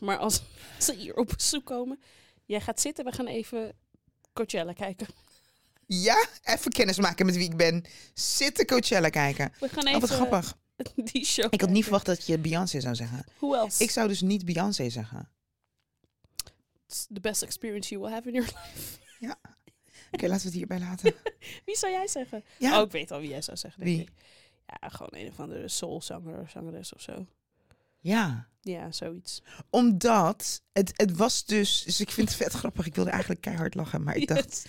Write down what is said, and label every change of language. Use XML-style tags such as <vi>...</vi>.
<nl>Maar als ze hier op bezoek komen... Jij gaat zitten, we gaan even Coachella kijken. Ja, even kennis maken met wie ik ben. Zitten Coachella kijken. We gaan even... Oh, wat grappig. Die show ik had niet verwacht dat je Beyoncé zou zeggen.</nl> <en>Who else?</en> <nl>Ik zou dus niet Beyoncé zeggen.</nl> <en>It's the best experience you will have in your life.</en> <nl>Ja. Oké, okay, laten we het hierbij laten. Wie zou jij zeggen? Ja. Oh, ik weet al wie jij zou zeggen. Wie? Ja, gewoon een of andere soulzanger of zangeres of zo. Ja. Ja, zoiets. Omdat, het was dus... Dus ik vind het vet grappig. Ik wilde eigenlijk keihard lachen, maar ik dacht...</nl>